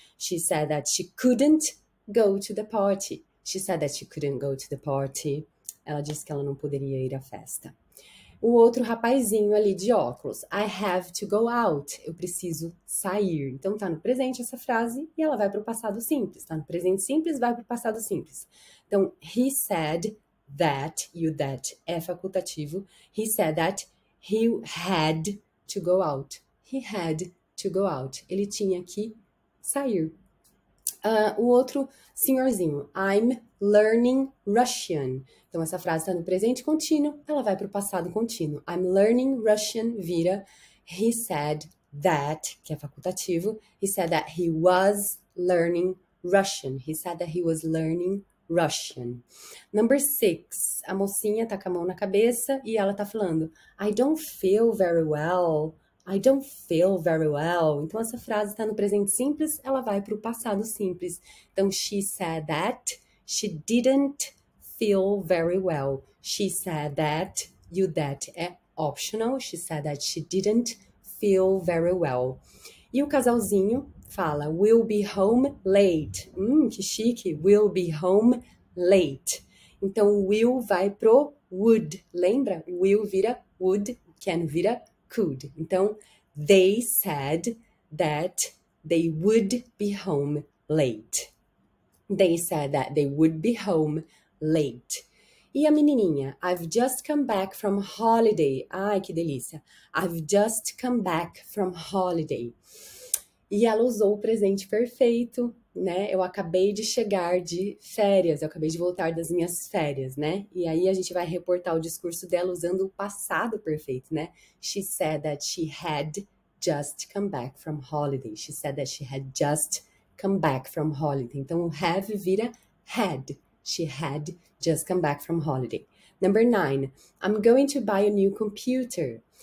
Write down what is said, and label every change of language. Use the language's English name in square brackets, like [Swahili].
[English] She said that she couldn't go to the party. She said that she couldn't go to the party. [Portuguese] Ela disse que ela não poderia ir à festa. O outro rapazinho ali de óculos, [English] I have to go out. [Portuguese] Eu preciso sair. Então tá no presente essa frase e ela vai para o passado simples. Tá no presente simples, vai para o passado simples. Então, [English] he said that you that [Portuguese] é facultativo. [English] He said that he had to go out. He had to go out. [Portuguese] Ele tinha que sair. O outro senhorzinho, [English] I'm learning Russian. [Portuguese] Então, essa frase está no presente contínuo, ela vai para o passado contínuo. [English] I'm learning Russian [Portuguese] vira [English] he said that, [Portuguese] que é facultativo. [English] He said that he was learning Russian. He said that he was learning Russian. [Portuguese] Number six, a mocinha está com a mão na cabeça e ela está falando, [English] I don't feel very well. I don't feel very well. [Portuguese] Então, essa frase está no presente simples, ela vai para o passado simples. [English] Então, she said that she didn't feel very well. She said that you that é optional. She said that she didn't feel very well. [Portuguese] E o casalzinho fala, [English] we'll be home late. [Portuguese] Que chique! [English] We'll be home late. [Portuguese] Então, [English] will [Portuguese] vai pro [English] would. [Portuguese] Lembra? [English] Will vira would, can vira could. Então, they said that they would be home late. They said that they would be home late. [Portuguese] E a menininha? [English] I've just come back from holiday. [Portuguese] Ai, que delícia! [English] I've just come back from holiday. [Portuguese] E ela usou o presente perfeito, né? Eu acabei de chegar de férias, eu acabei de voltar das minhas férias, né? E aí a gente vai reportar o discurso dela usando o passado perfeito, né? [English] She said that she had just come back from holiday. She said that she had just come back from holiday. [Portuguese] Então, o [English] have [Portuguese] vira [English] had. She had just come back from holiday. Number nine, I'm going to buy a new computer.